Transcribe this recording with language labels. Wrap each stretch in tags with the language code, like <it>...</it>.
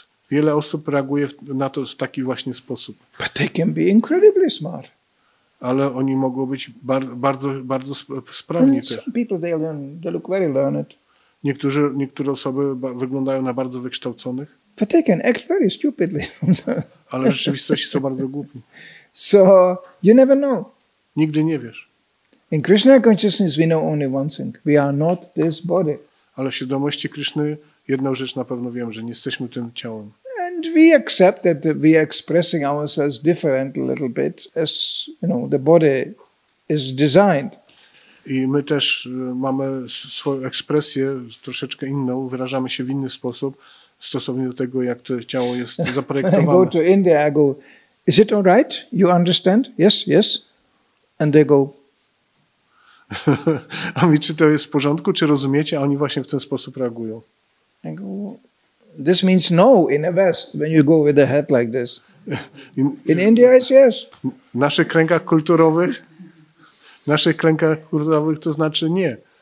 <pl>Wiele osób reaguje na to w taki właśnie sposób.</pl> <en>But they can be incredibly smart.</en> <pl>Ale oni mogą być bardzo, bardzo sprawni.</pl> <en>And some people they look very learned.</en> <pl>Niektóre osoby wyglądają na bardzo wykształconych.</pl> <en>But they can act very stupidly.</en> <pl>Ale w rzeczywistości są bardzo głupi.</pl> <en>So you never know.</en> <pl>Nigdy nie wiesz.</pl> <en>In Krishna consciousness we know only one thing. We are not this body.</en> <pl>Ale w świadomości Kryszny jedną rzecz na pewno wiem, że nie jesteśmy tym ciałem.</pl> <en>And we accept that we are expressing ourselves different a little bit as, you know, the body is designed.</en> <pl>I my też mamy swoją ekspresję troszeczkę inną, wyrażamy się w inny sposób stosownie do tego, jak to ciało jest zaprojektowane.</pl> <en>I go to India, I go, is it all right? You understand? Yes, yes. And they go...</en> <pl>A mi, czy to jest w porządku, czy rozumiecie? A oni właśnie w ten sposób reagują.</pl> <en>I go, this means no in a West, when you go with a head like this. In India, it's yes.</en> <pl>W naszych kręgach kulturowych... W naszych klękach kurzowych to znaczy nie.</pl>